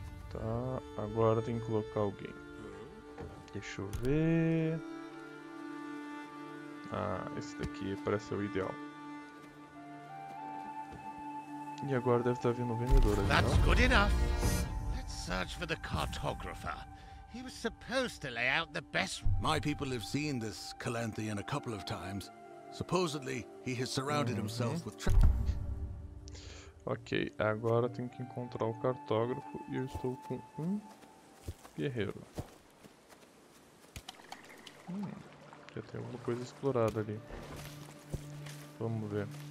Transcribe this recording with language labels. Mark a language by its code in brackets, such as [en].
[pt] Tá, agora tem que colocar alguém. Deixa eu ver. Ah, esse daqui parece ser o ideal. E agora deve estar vindo o vendedor ali, não? [en] That's good enough. Let's search for the cartographer. He was supposed to lay out the best... My people have seen this Calanthian a couple of times. Supposedly, he has surrounded himself with... [pt] Ok, agora tenho que encontrar o cartógrafo e eu estou com um guerreiro. Já tem alguma coisa explorada ali. Vamos ver.